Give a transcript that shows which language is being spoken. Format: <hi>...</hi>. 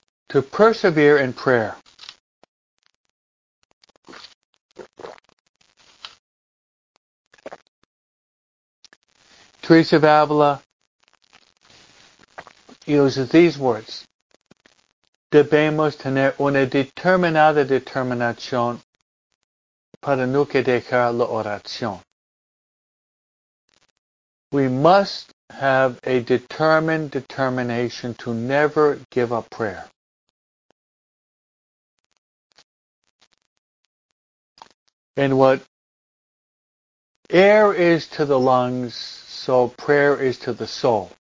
<en>To persevere in prayer. Teresa of Avila uses these words.</en> <es>Debemos tener una determinada determinación para nunca dejar la oración.</es> <en>We must have a determined determination to never give up prayer. And what Air is to the lungs, so prayer is to the soul.</en>